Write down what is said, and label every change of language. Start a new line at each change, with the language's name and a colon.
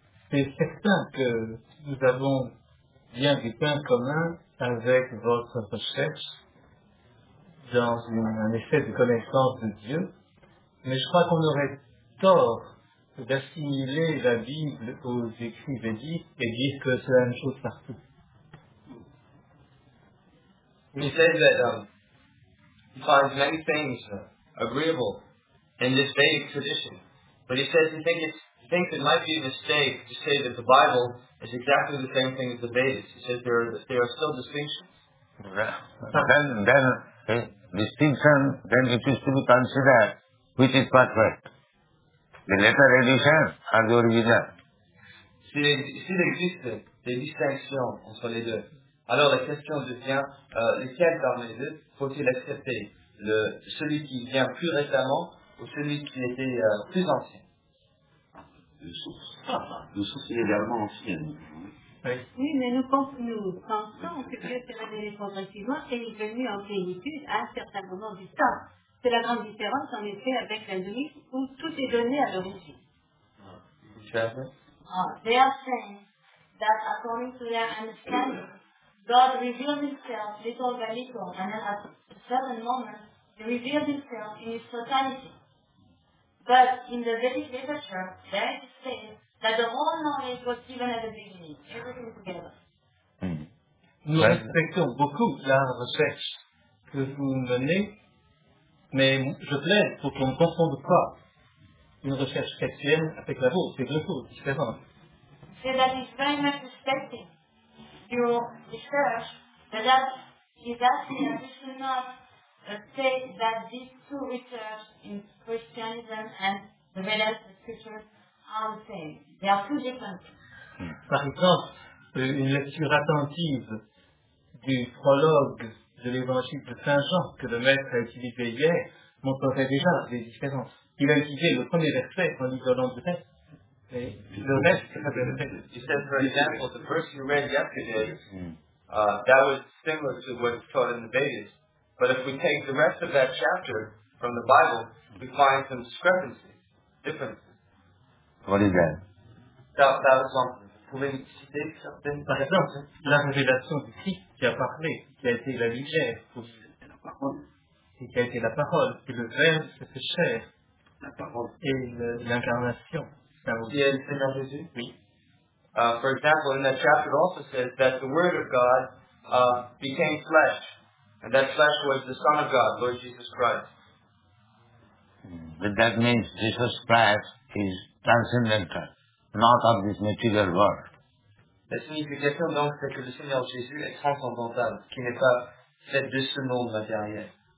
French: C'est certain que nous avons bien du pain commun avec votre recherche dans un effet de connaissance de Dieu, mais je crois qu'on aurait tort d'assimiler la Bible aux écrits védiques et dire que c'est la même chose partout.
English: He said that he finds many things agreeable in this Vedic tradition, but he says he thinks it might be a mistake to say that the Bible is exactly the same thing as the Vedas. He says there are still distinctions. Then it is to be considered which is perfect. The later edition or the original.
French: S'il existe des distinctions entre les deux, alors la question devient, lequel parmi les deux faut-il accepter, celui qui vient plus récemment ou celui qui était plus ancien? De source, il est également ancien. Oui, mais nous pensons que Dieu s'est révélé progressivement et est venu en plénitude à un certain moment du temps. C'est la grande différence en effet avec l'hindouisme où tout est donné à l'origine.
English: They are saying that according to their understanding, God revealed himself little by little and at a certain moment he revealed himself in his totality. But in the Vedic literature, there is said that the whole knowledge was given at the beginning, everything together.
French: Nous respectons beaucoup la recherche que vous menez, mais je plaide pour qu'on ne confonde pas une recherche chrétienne avec la vôtre. C'est deux choses différentes.
English: C'est that it's very much respecting. your church, but that is asking that you should not take that these two research in Christianism and the Vedas, the scriptures, are the same. They are two different things.
French: Par exemple, une lecture attentive du prologue de l'évangile de Saint Jean que le maître a utilisé hier montrerait déjà des différences. Il a utilisé le premier verset en lisant l'anglais.
English: You said, for example, the verse you read yesterday, that was similar to what is taught in the Vedas. But if we take the rest of that chapter from the Bible, we find some discrepancies, differences. What is that? That was one.
French: Pouvez citer certaines. Par exemple, la révélation du Christ qui a parlé, qui a été la lumière, qui a été la parole, qui le Verbe qui s'est fait chair, la parole et l'incarnation.
English: For example, in that chapter, it also says that the Word of God became flesh, and that flesh was the Son of God, Lord Jesus Christ. But that means Jesus Christ is transcendental, not of this material world.
French: La signification donc c'est que le Seigneur Jésus est transcendantal, qui n'est pas fait de ce monde matériel.